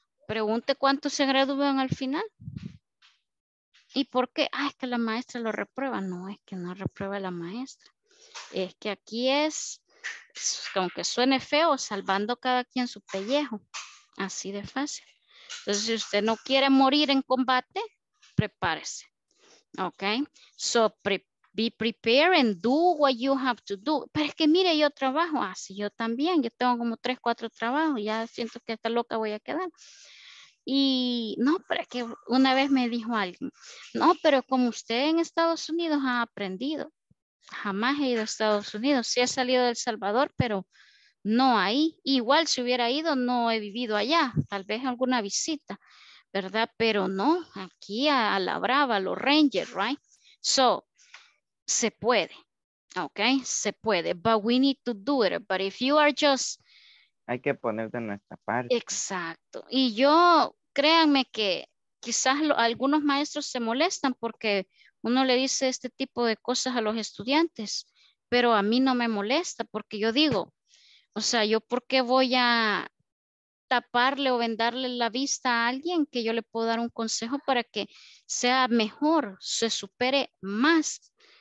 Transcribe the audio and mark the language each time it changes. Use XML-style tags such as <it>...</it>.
<es>Pregunte cuántos se gradúan al final. ¿Y por qué? Ah, es que la maestra lo reprueba. No, es que no reprueba la maestra. es que aquí es, aunque suene feo, salvando cada quien su pellejo, así de fácil. Entonces, si usted no quiere morir en combate, prepárese.</es> <en>Ok, so be prepared and do what you have to do.</en> <es>Pero es que mire, yo trabajo así, yo también, yo tengo como 3-4 trabajos, ya siento que esta loca voy a quedar. Y no, pero es que una vez me dijo alguien, no, pero como usted en Estados Unidos ha aprendido, jamás he ido a Estados Unidos, sí he salido de El Salvador, pero no ahí. Igual si hubiera ido, no he vivido allá, tal vez alguna visita, ¿verdad? Pero no, aquí a la brava, a los Rangers, right? So, se puede, ¿ok? Se puede,</es> <en>but we need to do it. But if you are just...</en> <es>Hay que poner de nuestra parte. Exacto. Y yo, créanme que quizás algunos maestros se molestan porque uno le dice este tipo de cosas a los estudiantes, pero a mí no me molesta porque yo digo, o sea, ¿yo por qué voy a taparle o vendarle la vista a alguien que yo le puedo dar un consejo para que sea mejor, se supere más?</es>